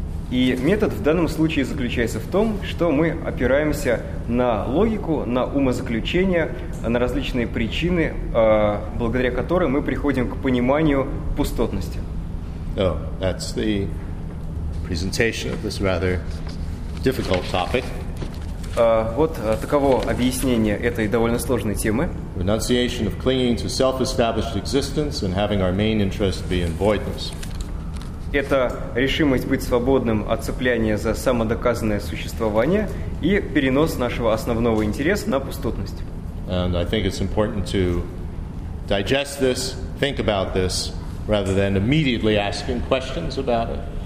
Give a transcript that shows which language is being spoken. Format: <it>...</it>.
<ru>И метод в данном случае заключается в том, что мы опираемся на логику, на умозаключения, на различные причины, благодаря которым мы приходим к пониманию пустотности.</ru> <en>Oh, that's the presentation of this rather difficult topic.</en> <ru>Вот таково объяснение этой довольно сложной темы.</ru> <en>Renunciation of clinging to self-established existence and having our main interest be in voidness.</en> <ru>Это решимость быть свободным от цепляния за самодоказанное существование и перенос нашего основного интереса на пустотность.</ru> <en>And I think it's important to digest this, think about this, rather than immediately asking questions about it.</en>